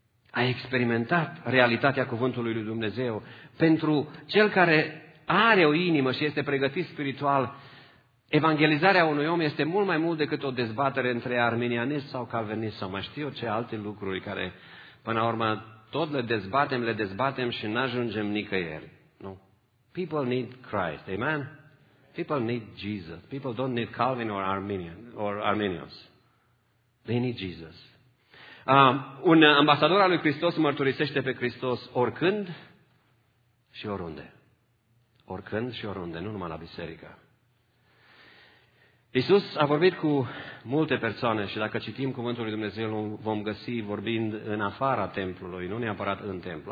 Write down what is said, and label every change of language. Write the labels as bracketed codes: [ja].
[ro] Ai experimentat realitatea cuvântului lui Dumnezeu. Pentru cel care are o inimă și este pregătit spiritual, evangelizarea unui om este mult mai mult decât o dezbatere între arminianist sau calvinist sau mai știu ce alte lucruri care, până la urmă, tot le dezbatem și n-ajungem nicăieri. [en] Nu? People need Christ. Amen? People need Jesus. People don't need Calvin or Arminian or Arminius. They need Jesus. [ro] Un ambasador al lui Hristos mărturisește pe Hristos oricând și oriunde. Oricând și oriunde, nu numai la biserică. Iisus a vorbit cu multe persoane și dacă citim cuvântul lui Dumnezeu, vom găsi vorbind în afara templului, nu neapărat în templu.